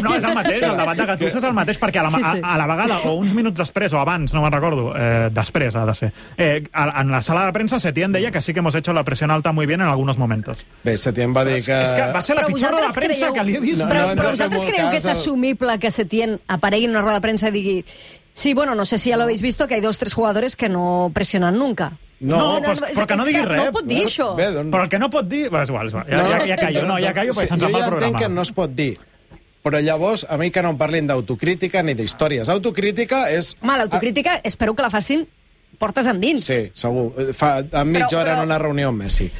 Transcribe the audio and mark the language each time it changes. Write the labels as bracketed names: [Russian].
[Catalan] No, és el mateix, el debat de Gattuso és el mateix, perquè a la vegada, o uns minuts després, o abans, no me'n recordo, després ha de ser, en la sala de premsa Setién deia que sí que [Spanish] hemos hecho la presión alta muy bien en algunos momentos. [Catalan] Bé, Setién va dir que... És que va ser la pitjor roda de premsa que li he vist. Però vosaltres creieu que és assumible que Setién aparegui en una roda de premsa i digui... [Spanish] Sí, bueno, no sé si ja l'habéis visto, que hay dos o tres jugadores que no presionan nunca. [Catalan] No, però que no digui res. No pot dir això. Bé, doncs... Però el que no pot dir... Bé, igual, ja callo, perquè se'ns va pel programa. Jo ja entenc que no es pot dir. Però llavors, a mi que no em parlin d'autocrítica ni d'històries. Autocrítica és... Home, l'autocrítica espero que la facin portes endins. Sí, segur. Fa mitja hora en una reunió amb Messi.